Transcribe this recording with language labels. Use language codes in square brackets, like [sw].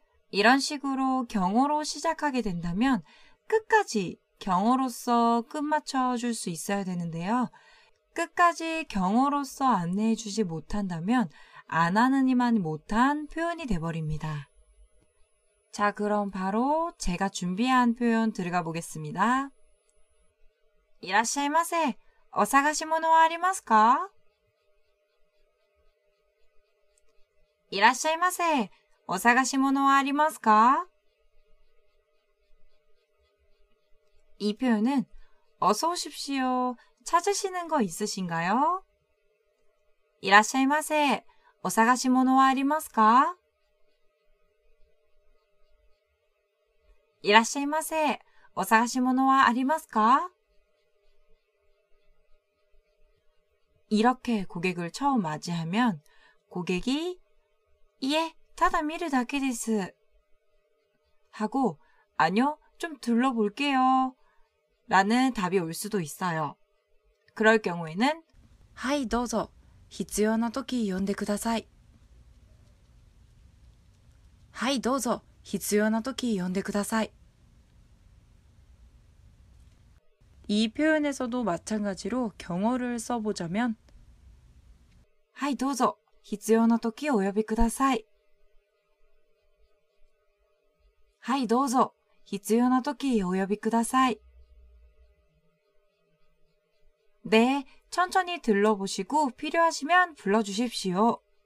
[ko] 이런식으로경어로시작하게된다면끝까지경어로서끝맞춰줄수있어야되는데요끝까지경어로서안내해주지못한다면안하는이만못한표현이돼버립니다자그럼바로제가준비한표현들어가보겠습니다 [ja] いらっしゃいませ。お探し物はありますか? いらっしゃいませ。お探し物はありますか? [ko] 이표현은어서오십시오찾으시는거있으신가요? [ja] いらっしゃいませ。お探し物はありますか? いらっしゃいませ。お探し物はありますか? [ko] 이렇게고객을처음맞이하면고객이 [ja] 이에ただ見るだけです [ko] 하고아니요좀둘러볼게요라는답이올수도있어요그럴경우에는 [ja] はいどうぞ必要な時呼んでくださいはいどうぞ必要な時呼んでください [ko] 이표현에서도마찬가지로경어를써보자면 [ja] はいどうぞ必要な時お呼びください。はい、どうぞ。必要な時お呼びください。 [ko] 네、천천히들러보시고필요하시면불러주십시오。